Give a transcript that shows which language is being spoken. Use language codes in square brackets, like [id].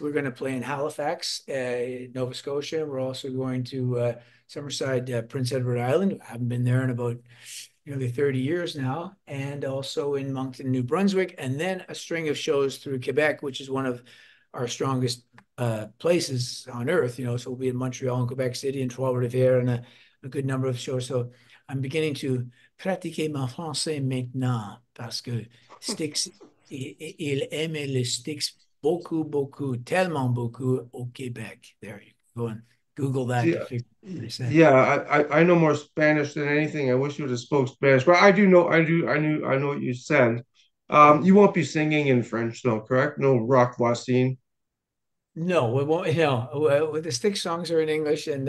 [en] We're going to play in Halifax, Nova Scotia. We're also going to Summerside, Prince Edward Island. I haven't been there in about nearly 30 years now, and also in Moncton, New Brunswick, and then a string of shows through Quebec, which is one of our strongest places on earth, so we'll be in Montreal and Quebec City and Trois-Rivières and a good number of shows. So I'm beginning to [fr] pratiquer mon français maintenant parce que STYX, il aimait le STYX beaucoup, beaucoup, tellement beaucoup au Québec. [en] There you go and Google that to Yeah, figure out what I said. I know more Spanish than anything. I wish you would have spoke Spanish, but I do know I do I knew I know what you said. You won't be singing in French though, correct? No rock voisine. No, we won't. No, the STYX songs are in English, and